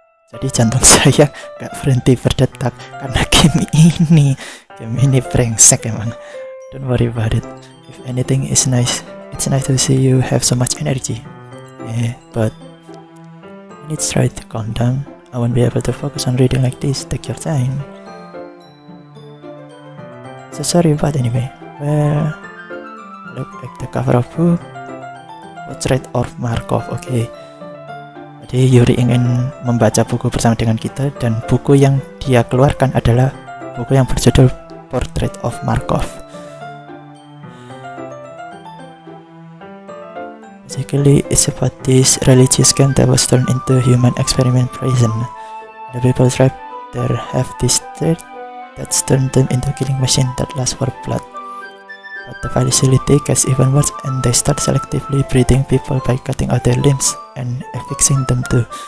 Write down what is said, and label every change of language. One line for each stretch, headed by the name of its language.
Indonesian: Jadi jantung saya gak berhenti berdetak karena game ini brengsek emang.
English: Don't worry about it. If anything, it's nice. It's nice to see you have so much energy. But when it's right to calm down, I won't be able to focus on reading like this. Take your time. So sorry about it anyway. Well, look at the cover of book. Portrait of Markov. Okay.
Indonesian: Jadi Yuri ingin membaca buku bersama dengan kita, dan buku yang dia keluarkan adalah buku yang berjudul Portrait of Markov.
English: Basically, it's about this religious camp that was turned into human experiment prison. The people trapped there have this threat that's turned them into killing machine that lasts for blood. But the facility gets even worse, and they start selectively breeding people by cutting out their limbs and affixing them too.